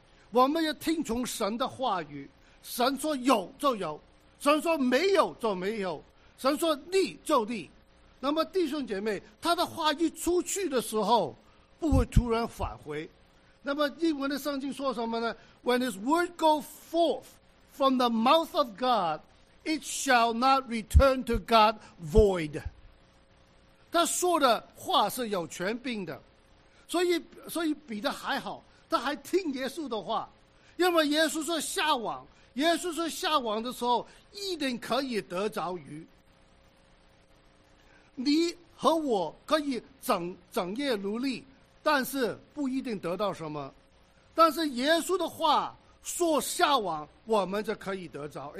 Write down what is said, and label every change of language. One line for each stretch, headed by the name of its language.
Chinese: 我们要听从神的话语，神说有就有，神说没有就没有，神说立就立。那么弟兄姐妹，他的话一出去的时候，不会突然返回。那么英文的圣经说什么呢？
English: When his word go forth from the mouth of God, it shall not return to God void。
Chinese: 他说的话是有权柄的，所以彼得还好，他还听耶稣的话，因为耶稣说下网，耶稣说下网的时候一定可以得着鱼。你和我可以整夜努力，但是不一定得到什么，但是耶稣的话说下网，我们就可以得着。